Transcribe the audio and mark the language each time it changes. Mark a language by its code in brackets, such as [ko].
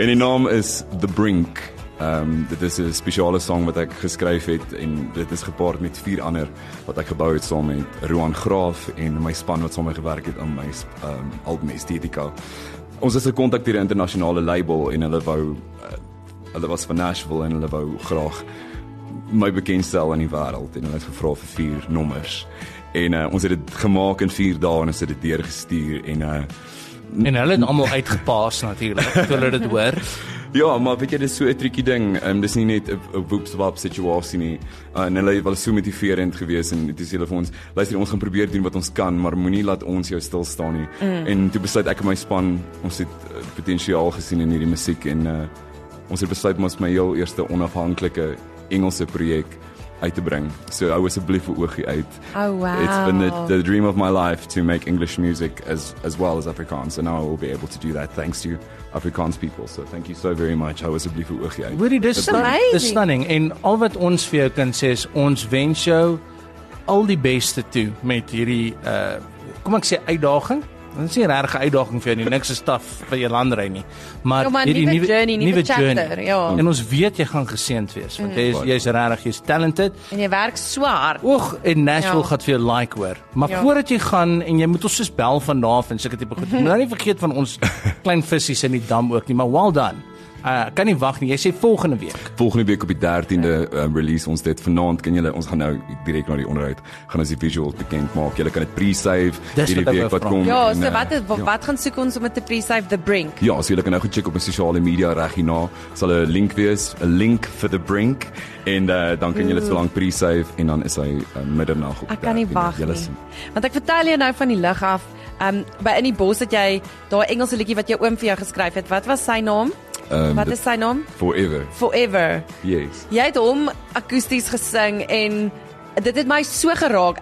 [af] En die naam is The Brink. Dit is 'n speciale song wat ek geskryf het en dit is gepaard met 4 ander wat ek gebou het saam met Roan Graaf en my span wat saam gewerk het aan my album Estetica. Ons is gekontak deur 'n internasionale label en hulle wou hulle was van Nashville en hulle wou graag my bekendstel in die wereld en hulle het gevra vir 4 nommers en ons het dit gemaak in 4 dae en ons het dit deurgestuur en hulle het allemaal uitgepaas natuurlijk toe hulle dit hoor. Ja, maar weet jy, dit is so 'n tricky ding. Dit is nie net 'n woepswap situasie nie. En hulle was so motiverend gewees en toe sê hulle vir ons, luister, ons gaan probeer doen wat ons kan, maar moenie laat ons jou stilstaan nie. En toe besluit ek en my span, ons het potentiaal gesien in hierdie musiek en ons het besluit om ons my heel eerste onafhanklike Engelse projek uit te bring. So hou asseblief 'n oogie uit. Oh wow. [en] It's been the dream of my life to make English music as well as Afrikaans. And now I will be able to do that thanks to Afrikaans people. So thank you so very much. [af] Hou asseblief 'n oogie uit. Woody, dis stunning. En al wat ons vir jou kan sê is ons wens jou al die beste toe met hierdie kom ek sê uitdaging. Dit is nie 'n regte uitdaging vir jou nie. Niks is taf vir jou landry nie. Maar hierdie nuwe chapter, ja. En ons weet jy gaan geseend wees, want jy is regtig, jy's talented. En jy werk so hard. Oeg, en Nashville gaat vir jou like hoor. Maar voordat jy gaan en jy moet ons soos bel vanaf en sulke tipe goed. Moet nou nie vergeet van ons klein vissies in die dam ook nie, maar well done. Kan nie wag nie, jy sê volgende week. Volgende week op die 13de release ons dit. Vanaand kan julle, ons gaan nou direct na die onderhoud, gaan ons die visual bekend maak. Julle kan dit pre-save, hierdie week wat kom. Ja, so wat gaan soek ons om het te pre-save The Brink? Ja, so julle kan nou goed check op my sociale media reg hierna. Sal een link wees, een link vir The Brink. En dan kan julle so lang pre-save en dan is hy middernag op ek kan nie wag nie. Want ek vertel jou nou van die lig af, by in die bos het jy daar Engelse liedjie wat jou oom vir jou geskryf het. Wat was sy naam? Wat is sy naam? [en] Forever. Forever. Yes. [af] Jy het hom akoesties gesing en dit het my so geraak.